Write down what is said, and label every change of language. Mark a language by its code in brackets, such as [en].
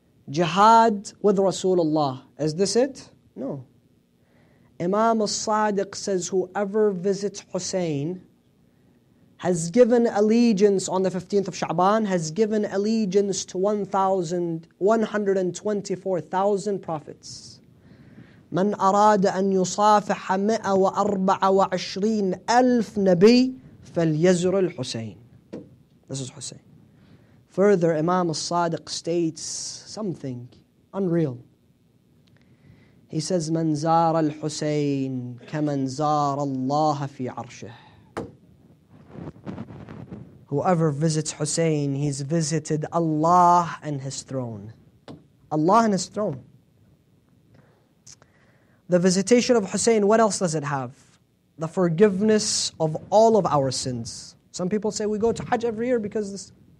[en] Jihad with Rasulullah. Is this it? No. Imam al-Sadiq says whoever visits Hussein has given allegiance on the 15th of Sha'ban, has given allegiance to 124,000 prophets. [ar] من أراد أن يصافح 124,000 نبي فليزر الحسين. [en] This is Hussein. Further, Imam al-Sadiq states something unreal. He says, [ar] مَنْ زَارَ الْحُسَيْنِ كَمَنْ زَارَ اللَّهَ فِي عَرْشِهِ. [en] Whoever visits Hussein, he's visited Allah and his throne. Allah and his throne. The visitation of Hussein, what else does it have? The forgiveness of all of our sins. Some people say we go to Hajj every year because this,